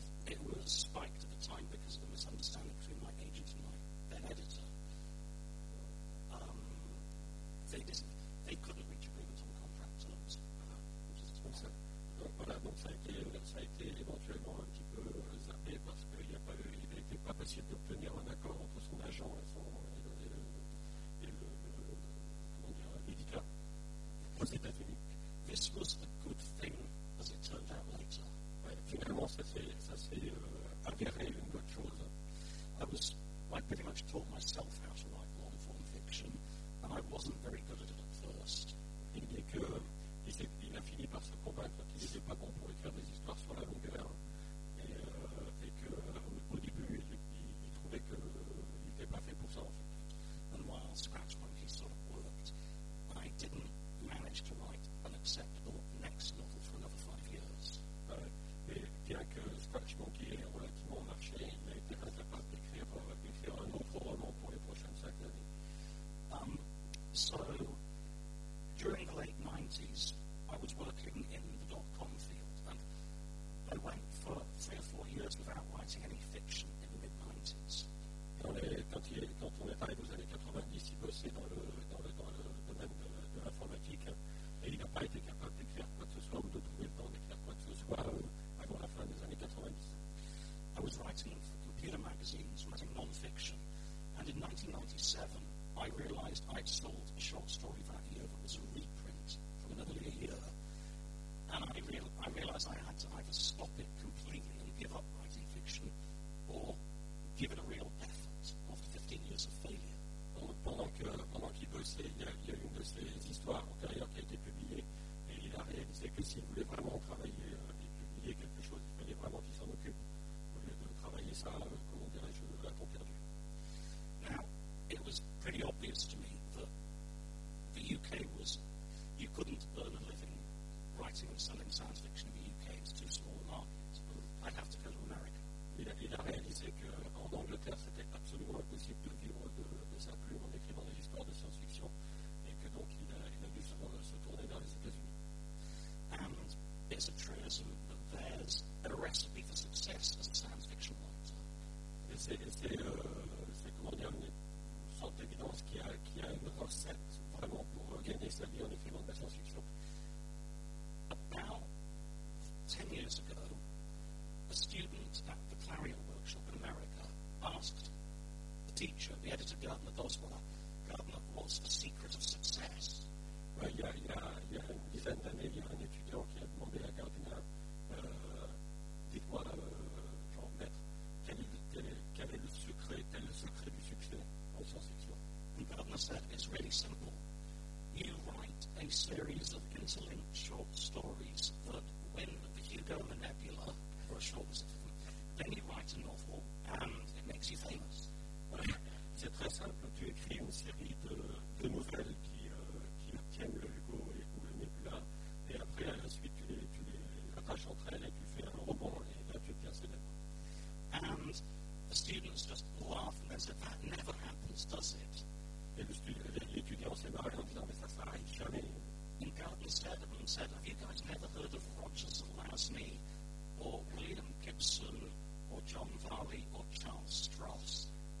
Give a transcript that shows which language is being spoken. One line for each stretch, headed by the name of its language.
English: It was spiked at the time because of a misunderstanding between my agent and my then editor. They couldn't reach agreement on contract terms.
French: Ça a été éventuellement un petit peu zappé parce qu'il n'était pas possible d'obtenir un accord entre son agent et l'éditeur aux États-Unis.
English: This was a good thing, as it turned out later.
French: Finalement, ça s'est avéré une bonne chose.
English: I pretty much taught myself how to write long form fiction, and I wasn't very good at it at first.
French: Il a fini par se convaincre qu'il n'était pas bon pour écrire des histoires sur la longueur, et qu'au début, il trouvait qu'il n'était pas fait pour ça, en fait.
English: And while Scratch Monkey sort of worked, I didn't manage to write an acceptable next novel for another 5 years.
French: Et bien que Scratch Monkey ait relativement marché, il a été incapable d'écrire un autre roman pour les prochaines 5 années.
English: So, during the late 90s, I was working in the dot-com field, and I went for 3 or 4 years without writing any fiction in the mid-90s.
French: Quand on est arrivé aux années 90, il bossait dans le domaine de l'informatique, hein, et il n'a pas été capable d'écrire quoi que ce soit ou de trouver le temps d'écrire quoi que ce soit.
English: I was writing for computer magazines, writing non-fiction, and in 1997 I realized I'd sold a short story that year that was a reprint from another year, and I realized I had to either stop it completely and give up writing fiction, or give it a real effort after 15 years of failure.
French: Pendant qu'il bossait, il y a une de ses histoires antérieures qui a été publiée, et il a réalisé que s'il voulait vraiment travailler quelque chose, il fallait vraiment qu'il s'en occupe au lieu de travailler ça, comment dirais-je, à temps perdu.
English: Now, it was pretty obvious to me that the UK was, you couldn't earn a living writing and selling science fiction in the UK, it's too small a market. I'd have to go to America.
French: Il a réalisé qu'en Angleterre, c'était absolument impossible de vivre de sa plume en écrivant des histoires de science-fiction, et que donc il a dû se tourner vers les États-Unis.
English: And it's a truism that there's a recipe for success as a science fiction writer.
French: C'est comment dire, une sorte d'évidence qui a une recette vraiment pour gagner sa vie en écrivant de la science fiction.
English: About 10 years ago, a student at the Clarion Workshop in America asked the teacher, the editor Gardner Doswell, Gardner, what's the secret of success?
French: Il y a une dizaine d'années, il y a un étudiant qui a demandé à Gardner, quel est le secret du succès en science-fiction.
English: And Gardner said, it's really simple. You write a series of interlinked short stories that win the Hugo and the Nebula, or a short system. Then you write a novel, and it makes you famous.
French: C'est très simple, tu écris une série de nouvelles qui obtiennent le Hugo ou le Nebula, et après, à la suite, tu les attaches entre elles et tu fais un roman, et là, tu deviens célèbre.
English: And the students just laugh and they said, that never happens, does it?
French: Et l'étudiant s'est marré en disant, mais ça s'arrive jamais.
English: And Gardner said, have you guys never heard of Rogers Zelazny, or William Gibson, or John Varley, or Charles Stross?